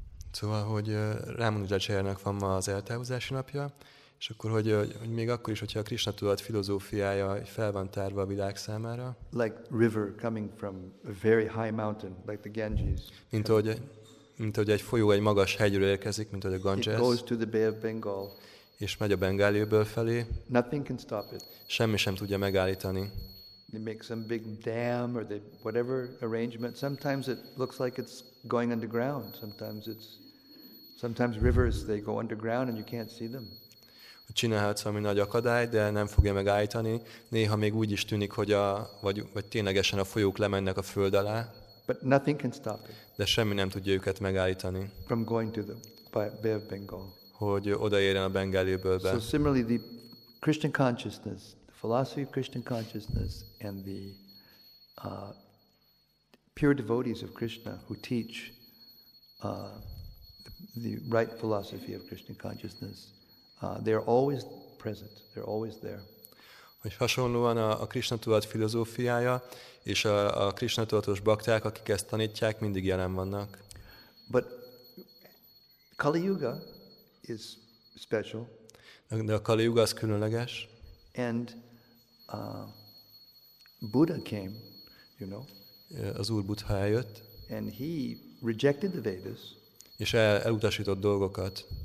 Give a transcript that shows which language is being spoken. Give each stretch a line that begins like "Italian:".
Hungarian: Szóval, hogy Ramanujacharyának van ma az eltávozási napja, és akkor, hogy még akkor is, hogyha a Krishna tudat filozófiája fel van tárva a világ számára.
English: Like river coming from a very high mountain, like the Ganges.
Hungarian: Mint ahogy egy folyó egy magas hegyről érkezik, mint ahogy a Ganges.
English: It goes to the Bay of Bengal.
Hungarian: És megy a Bengáli-öböl felé.
English: Nothing can stop it.
Hungarian: Semmi sem tudja megállítani.
English: They make some big dam or they whatever arrangement. Sometimes it looks like it's going underground. Sometimes rivers they go underground and you can't see them.
Hungarian: Csinálhatsz valami nagy akadály, de nem fogja megállítani. Néha még úgy is tűnik, hogy vagy ténylegesen a folyók lemennek a föld alá.
English: But nothing can stop it.
Hungarian: De semmi nem tudja őket megállítani.
English: From going to the Bay of Bengal.
Hungarian: Hogy odaérjen a Bengáli-öbölbe.
English: So similarly, the Christian consciousness, the philosophy of Christian consciousness, and the pure devotees of Krishna who teach the right philosophy of Christian consciousness, they are always present. They're always there.
Hungarian: Hogy hasonlóan a Krishna tudat filozófiája és a Krishna tudatos bakták, akik ezt tanítják, mindig jelen vannak.
English: But Kali Yuga is special.
Hungarian: De a Kali Yuga az különleges.
English: And Buddha came, you know.
Hungarian: Az Úr Buddha eljött.
English: And he rejected the Vedas.
Hungarian: És elutasított dolgokat.